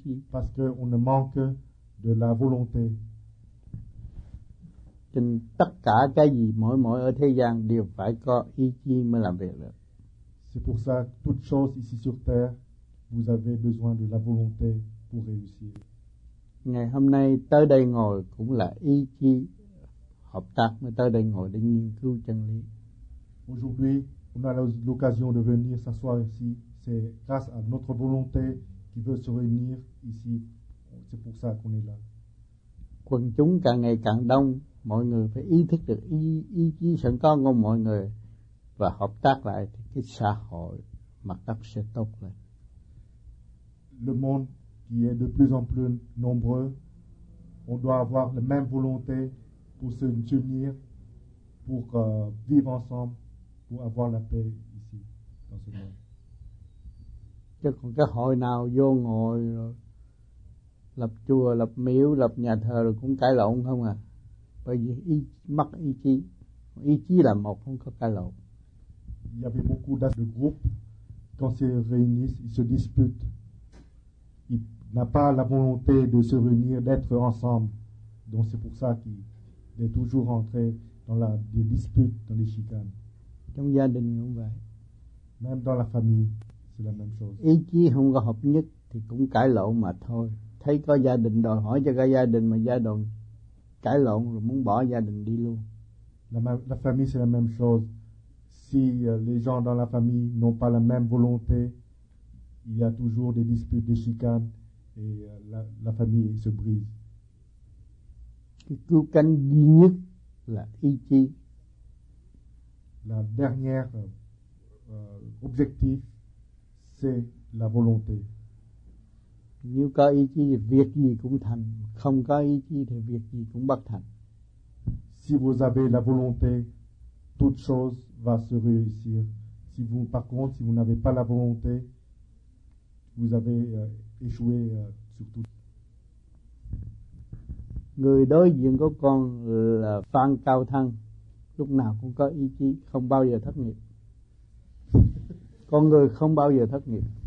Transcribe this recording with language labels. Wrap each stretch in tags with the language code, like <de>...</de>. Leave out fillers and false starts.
<fr>Parce qu'on ne manque de la volonté.</fr> <vi>Trên tất cả cái gì mỗi mỗi ở thế gian đều phải có ý chí mới làm việc được.</vi> <fr>C'est pour ça que toute chose ici sur terre, vous avez besoin de la volonté pour réussir.</fr> <vi>Ngày hôm nay tới đây ngồi cũng là ý chí hợp tác mới tới đây ngồi để nghiên cứu chân lý.</vi> <fr>Aujourd'hui, on a l'occasion de venir s'asseoir ici, c'est grâce à notre volonté qui veut se réunir ici, c'est pour ça qu'on est là.</fr> <vi>quần chúng càng ngày càng đông, mọi người phải ý thức được ý chí sẵn có của mọi người và hợp tác lại thì cái xã hội mặt đất sẽ tốt lên.</vi> <fr>Le monde qui est de plus en plus nombreux, on doit avoir la même volonté pour se unir, pour vivre ensemble, pour avoir la paix ici dans ce monde.</fr> <vi>Chứ còn cái hội nào vô ngồi lập chùa, lập miếu, lập nhà thờ rồi cũng cãi lộn không à? Bởi vì mất ý chí, ý chí là một, không có cãi lộn.</vi> <fr>Il y avait beaucoup de groupes quand ils se réunissent, ils se disputent. Il n'a pas la volonté de se réunir, d'être ensemble. Donc c'est pour ça qu'il est toujours entré dans la des disputes, dans les chicanes.</fr> <vi>Trong gia đình cũng vậy.</vi> <fr>Même dans la famille, c'est la même chose.</fr> <vi>Ý chí không có hợp nhất thì cũng cãi lộn mà thôi. Thấy có gia đình đòi hỏi cho cả gia đình mà gia đình cãi lộn rồi muốn bỏ gia đình đi luôn.</vi> <fr>La famille c'est la même chose. Si les gens dans la famille n'ont pas la même volonté, il y a toujours des disputes, des chicanes et la famille se brise.</fr> <vi>Cái cứu cánh duy nhất là ý chí.</vi> <fr>La dernière objectif c'est la volonté.</fr> <vi>Nếu có ý chí thì việc gì cũng thành, không có ý chí thì việc gì cũng bất thành.</vi> <fr>Si vous avez la volonté, toute chose va se réussir. Si vous, par contre, si vous n'avez pas la volonté, vous avez échoué sur tout.</fr> <vi>Người đối diện của con là Phan Cao Thăng, lúc nào cũng có ý chí, không bao giờ thất nghiệp. Con người không bao giờ thất nghiệp.</vi>